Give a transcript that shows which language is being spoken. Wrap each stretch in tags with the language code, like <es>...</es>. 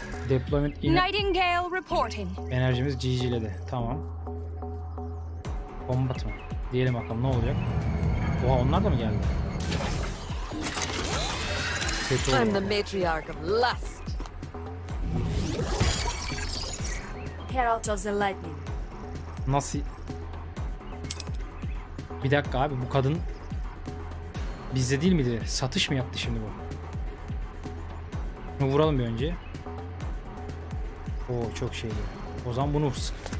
<en>Deployment in Nightingale reporting.</en> <tr>Enerjimiz GG'ledi. Tamam. Bomba mı? Diyelim bakalım ne olacak? Oha onlar da mı geldi?</tr> <en>I'm the matriarch of lust. Herald of the Lightning.</en> <tr>Nasıl? Bir dakika abi, bu kadın bizde değil miydi? Satış mı yaptı şimdi bu? Bunu vuralım bir önce. Oo çok şeydi. O zaman bunu vursun.</tr>